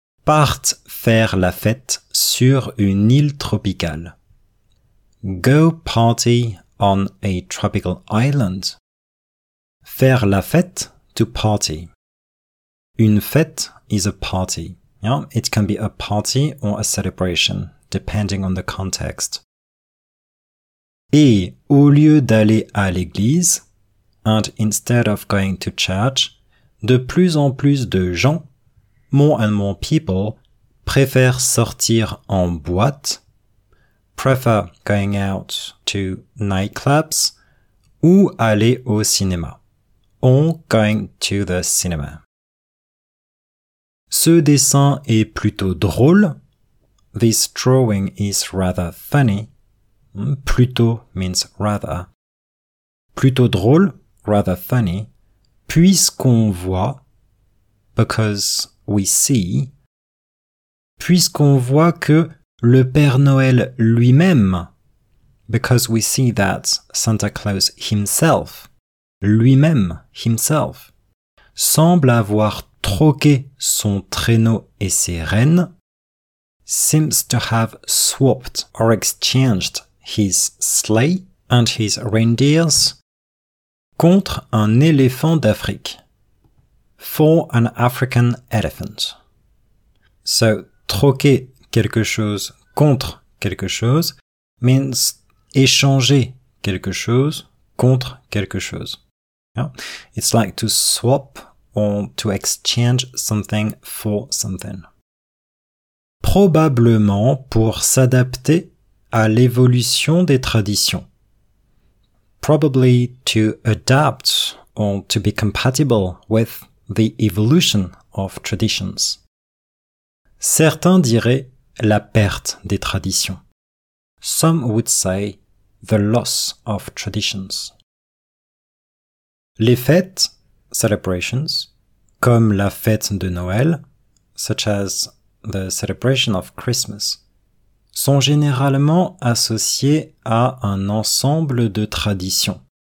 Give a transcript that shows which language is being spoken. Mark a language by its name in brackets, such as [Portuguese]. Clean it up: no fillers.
[French] partent faire la fête sur une île tropicale. [English] Go party on a tropical island. [French] Faire la fête, [English] to party. [French] Une fête [English] is a party. Yeah? It can be a party or a celebration, depending on the context. [French] Et au lieu d'aller à l'église, [English] and instead of going to church, [French] de plus en plus de gens, [English] more and more people, [French] préfèrent sortir en boîte, [English] prefer going out to nightclubs, [French] ou aller au cinéma, [English] or going to the cinema. [French] Ce dessin est plutôt drôle. [English] This drawing is rather funny. [French] Plutôt [English] means rather. [French] Plutôt drôle, [English] rather funny, [French] puisqu'on voit, [English] because we see, [French] puisqu'on voit que le Père Noël lui-même, [English] because we see that Santa Claus himself, [French] lui-même, [English] himself, [French] semble avoir troqué son traîneau et ses rênes, [English] seems to have swapped or exchanged his sleigh and his reindeers [French] contre un éléphant d'Afrique, [English] for an African elephant. So, [French] troquer quelque chose contre quelque chose [English] means [French] échanger quelque chose contre quelque chose. [English] Yeah? It's like to swap or to exchange something for something. [French] Probablement pour s'adapter à l'évolution des traditions. [English] Probably to adapt or to be compatible with the evolution of traditions. [French] Certains diraient la perte des traditions. [English] Some would say the loss of traditions. [French] Les fêtes, [English] celebrations, [French] comme la fête de Noël, [English] such as the celebration of Christmas, [French] sont généralement associées à un ensemble de traditions.